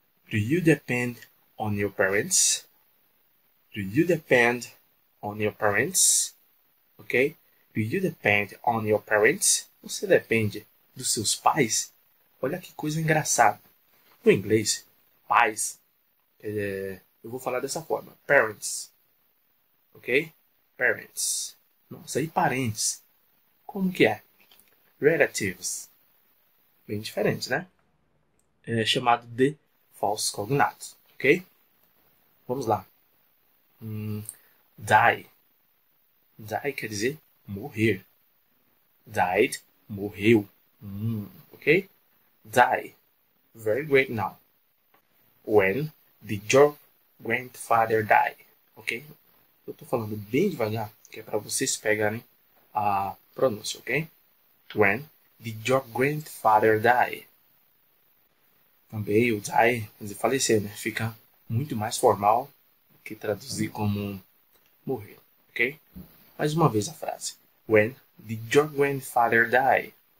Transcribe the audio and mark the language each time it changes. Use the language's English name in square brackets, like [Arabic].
[English] Do you depend on your parents? Do you depend on your parents? Ok? Do you depend on your parents? [Portuguese] Você depende dos seus pais? Olha que coisa engraçada. No inglês, pais. Eu vou falar dessa forma. [English] Parents. Ok? Parents. [Portuguese] Nossa, e parentes? Como que é? Relatives. Bem diferente, né? É chamado de falsos cognatos. Ok? Vamos lá. Die. Die quer dizer morrer. Died. Morreu. Ok? [English] Die. Very great now. When did your grandfather die, ok? [Portuguese] Eu tô falando bem devagar, que é para vocês pegarem a pronúncia, ok? [English] When did your grandfather die? [Portuguese] Também o die, de falecer, né? Fica muito mais formal que traduzir como morrer, ok? Mais uma vez a frase. [English] When did your grandfather die?